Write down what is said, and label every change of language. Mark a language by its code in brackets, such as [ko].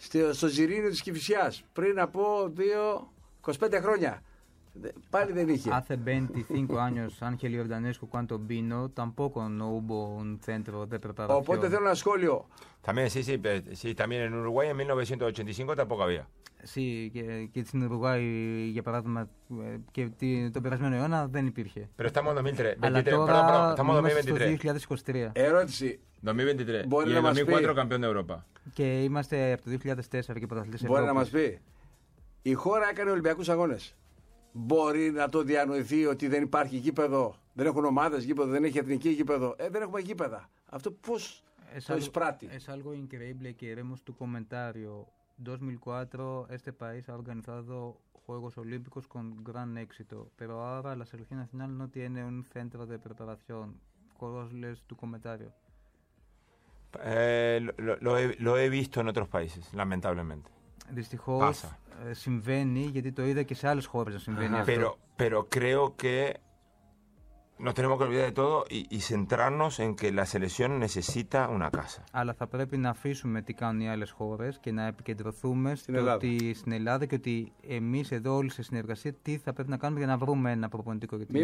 [el] Στο Ζιρίνιο της Κηφισιάς πριν από 25 χρόνια. Πάλι δεν είχε. [es] Hace 25 años, Ángel Ιορδανέσκου, cuando vino, tampoco no hubo un centro de preparación. [el] Οπότε θέλω ένα σχόλιο. [es] También, sí, sí, sí, también en Uruguay en 1985 tampoco había. [el] Sí, και στην Ουρουγουάη, για παράδειγμα, και τον περασμένο αιώνα δεν υπήρχε. [es] Pero estamos en 2003. [el] Αλλά τώρα [es] estamos en 2023. [el] Ερώτηση. 2023. Μπορεί να μας πει. 2004 καμπιόν Ευρώπα. Και είμαστε από το 2004 και πρωταθλητές Ευρώπης. Μπορεί να μας πει. Η χώρα έκανε Ολυμπιακούς αγώνες. Μπορεί να το διανοηθεί ότι δεν υπάρχει γήπεδο, δεν έχουν ομάδες γήπεδο, δεν έχει εθνική γήπεδο. Δεν έχουμε γήπεδα. Αυτό πώς το εισπράττει. [es] Es algo increíble que vemos tu comentario. 2004 este país ha organizado Juegos Olímpicos con gran éxito, pero ahora la selección nacional no tiene un centro de preparación. ¿Cuál es tu comentario? Lo he visto en otros países, lamentablemente. [el] Δυστυχώς συμβαίνει, γιατί το είδα και σε άλλες χώρες να συμβαίνει αυτό. [es] Pero creo que nos tenemos que olvidar de todo y centrarnos en que la selección necesita una casa. [el] Αλλά θα πρέπει να αφήσουμε τι κάνουν οι άλλες χώρες και να επικεντρωθούμε στην Ελλάδα και ότι εμείς εδώ όλοι σε συνεργασία τι θα πρέπει να κάνουμε για να βρούμε ένα προπονητικό.